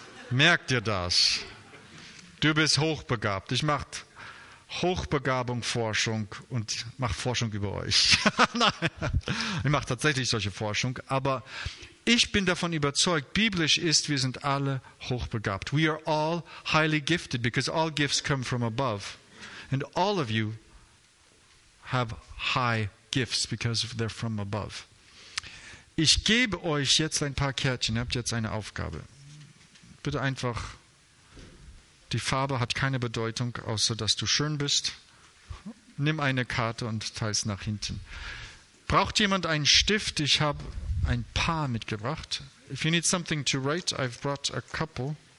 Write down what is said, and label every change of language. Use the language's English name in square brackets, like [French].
[German] Merkt ihr das? Du bist hochbegabt. Ich mache Hochbegabung-Forschung und mache Forschung über euch. Nein, ich mache tatsächlich solche Forschung, aber ich bin davon überzeugt, biblisch ist, wir sind alle hochbegabt. [English] We are all highly gifted, because all gifts come from above. And all of you have high gifts, because they're from above. [German] Ich gebe euch jetzt ein paar Kärtchen, ihr habt jetzt eine Aufgabe. Bitte einfach, die Farbe hat keine Bedeutung, außer dass du schön bist. Nimm eine Karte und teile es nach hinten. Braucht jemand einen Stift? Ich habe ein paar mitgebracht. [English] If you need something to write, I've brought a couple.